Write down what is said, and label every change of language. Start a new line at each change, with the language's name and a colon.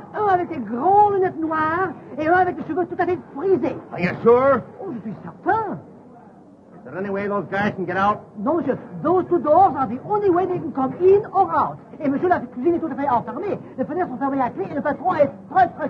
French: Un avec des gros lunettes noires et un avec des cheveux tout à fait frisés.
English: Are you sure?
French: Oh, je suis certain.
English: Is there any way those guys can get out? No, monsieur. Those two doors are the only way they can come in or out.
French: Et monsieur, la cuisine est tout à fait enfermée. Les fenêtres sont fermées à clé et le patron est très, très